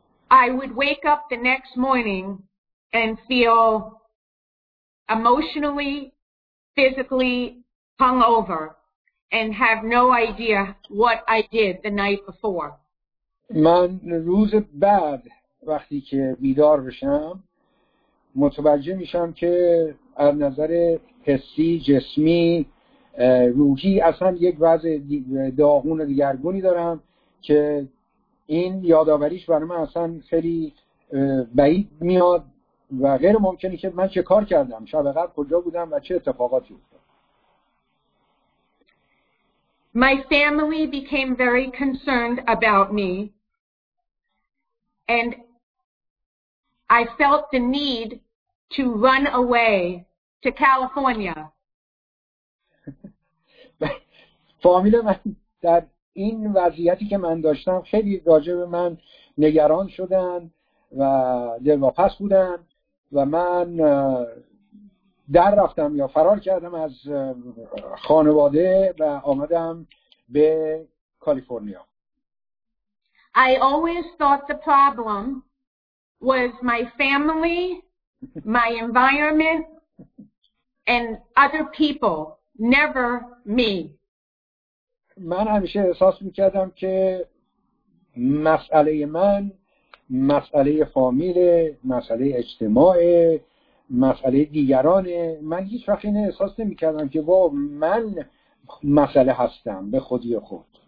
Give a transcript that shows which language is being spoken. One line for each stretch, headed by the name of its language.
English: I would wake up the next morning and feel emotionally, physically hungover and have no idea what I did the night before.
Persian: من روز بعد وقتی که بیدار بشم متوجه میشم که از نظر حسی، جسمی، روحی اصلا یک وضع داغون دیگرگونی دارم که این یاداوریش برای من اصلا خیلی بعید میاد و غیر ممکنه که من چه کار کردم، شب قبل کجا بودم و چه اتفاقاتی افتاد.
English: My family became very concerned about me and I felt the need to run away to California.
Persian: فامیل من در این وضعیتی که من داشتم خیلی راجع به من نگران شدن و دلواپس بودن و من در رفتم یا فرار کردم از خانواده و آمدم به کالیفرنیا.
English: I always thought the problem was my family, my environment and other people, never me.
Persian: من همیشه احساس میکردم که مسئله من مسئله فامیل، مسئله اجتماع، مسئله دیگران. من هیچ وقت این احساس نمیکردم که با من مسئله هستم به خودی خود.